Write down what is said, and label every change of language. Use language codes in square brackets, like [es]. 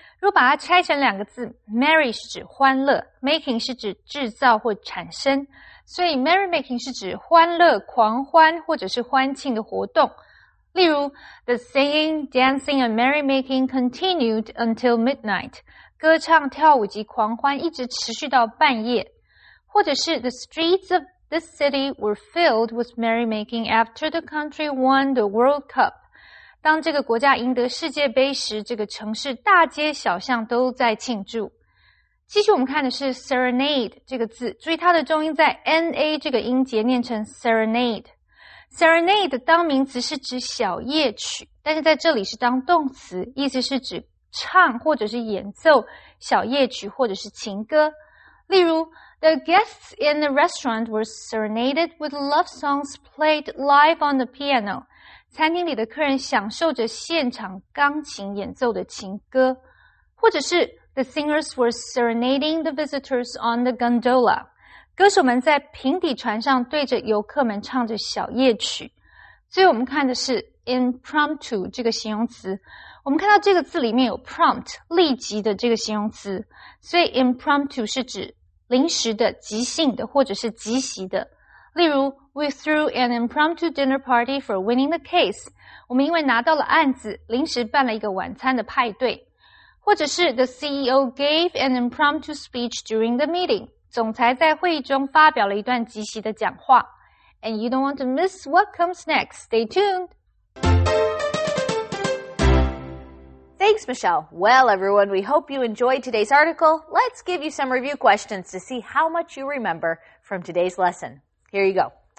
[zh] 如果把它拆成两个字 ，merry 是指欢乐 ，making 是指制造或产生。所以 merrymaking 是指欢乐、狂欢或者是欢庆的活动。例如 [en] ，the singing, dancing and merrymaking continued until midnight. [zh] 歌唱、跳舞及狂欢一直持续到半夜。或者是 [en] the streets of this city were filled with merrymaking after the country won the World Cup. [zh] 当这个国家赢得世界杯时，这个城市大街小巷都在庆祝。继续我们看的是 serenade 这个字，注意它的重音在 na 这个音节，念成 serenade。 serenade 当名词是指小夜曲，但是在这里是当动词，意思是指唱或者是演奏小夜曲或者是情歌。例如 [en] The guests in the restaurant were serenaded with love songs played live on the piano. [zh] 餐厅里的客人享受着现场钢琴演奏的情歌。或者是 [en] The singers were serenading the visitors on the gondola. [zh] 歌手们在平底船上对着游客们唱着小夜曲。所以我们看的是 impromptu 这个形容词。我们看到这个字里面有 prompt, 立即的这个形容词。所以 impromptu 是指临时的、即兴的或者是即席的。例如 [en] ,we threw an impromptu dinner party for winning the case. [zh] 我们因为拿到了案子,临时办了一个晚餐的派对。或者是 [en] the CEO gave an impromptu speech during the meeting. [zh] 总裁在会议中发表了一段即席的讲话。 [en] And you don't want to miss what comes next. Stay tuned. Thanks, Michelle. Well, everyone, we hope you enjoyed today's article. Let's give you some review questions to see how much you remember from today's lesson. Here you go.